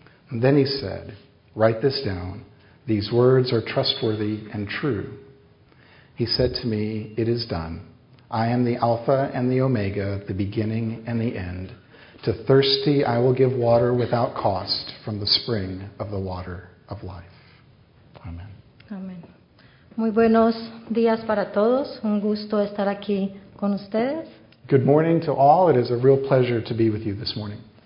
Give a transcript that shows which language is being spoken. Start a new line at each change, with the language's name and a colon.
English: And then he said, "Write this down. These words are trustworthy and true." He said to me, "It is done. I am the Alpha and the Omega, the beginning and the end. To thirsty I will give water without cost from the spring of the water of life." Amen. Amen.
Spanish: Muy buenos días para todos. Un gusto estar aquí con ustedes.
English: Good morning to all. It is a real pleasure to be with you this morning.